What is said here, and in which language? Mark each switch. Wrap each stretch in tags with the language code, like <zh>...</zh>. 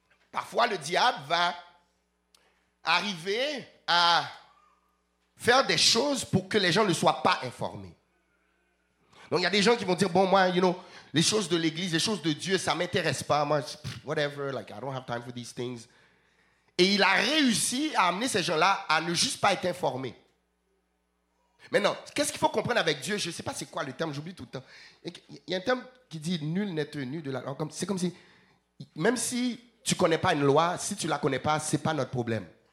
<fr>Parfois, le diable va arriver à faire des choses pour que les gens ne soient pas informés. Donc, il y a des gens qui vont dire, bon, moi,</fr> <en>you know,</en> <fr>les choses de l'église, les choses de Dieu, ça ne m'intéresse pas. Moi,</fr> <en>whatever, like, I don't have time for these things.</en> <fr>Et il a réussi à amener ces gens-là à ne juste pas être informés. Maintenant, qu'est-ce qu'il faut comprendre avec Dieu? Je ne sais pas c'est quoi le terme, j'oublie tout le temps. Il y a un terme qui dit, nul n'est tenu de la... C'est comme si, même si tu ne connais pas une loi, si tu ne la connais pas, ce n'est pas notre problème.</fr>